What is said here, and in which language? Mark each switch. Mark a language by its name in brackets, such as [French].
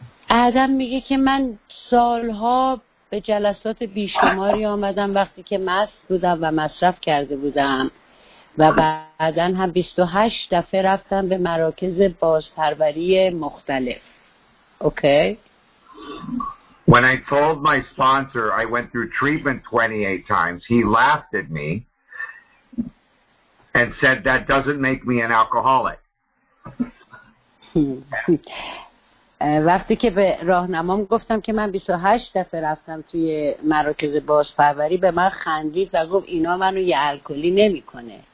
[Persian] آدم میگه که من سالها به جلسات بیشماری آمدم وقتی که مست بودم و مصرف کرده بودم و بعدن هم 28 دفعه رفتم به مراکز بازپروری مختلف. [English] Okay? When I told my sponsor I went through treatment 28 times, he laughed at me and said that doesn't make me an alcoholic. [Persian] وقتی که به راهنمام گفتم که من 28 دفعه رفتم توی مراکز بازپروری، به من خندید و گفت اینا منو یه الکلی نمی‌کنه.